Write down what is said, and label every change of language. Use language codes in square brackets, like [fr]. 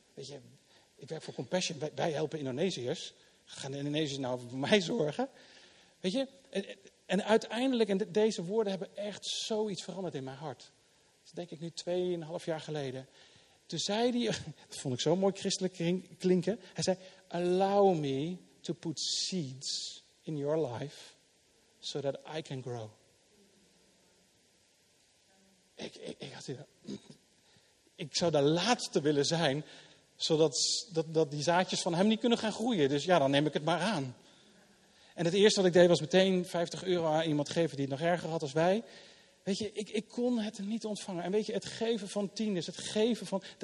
[nl] Weet je, ik werk voor Compassion. Wij helpen Indonesiërs. Gaan de Indonesiërs nou voor mij zorgen? Weet je, en uiteindelijk, en deze woorden hebben echt zoiets veranderd in mijn hart. Dat denk ik nu 2,5 jaar geleden. Toen zei hij, dat vond ik zo mooi christelijk klinken. Hij zei, [en] allow me to put seeds in your life, so that I can grow. [nl] Ik had gedacht, ik zou de laatste willen zijn, zodat dat die zaadjes van hem niet kunnen gaan groeien. Dus ja, dan neem ik het maar aan. En het eerste wat ik deed was meteen €50 aan iemand geven die het nog erger had als wij. Weet je, ik kon het niet ontvangen. En weet je, het geven van tieners, het geven van...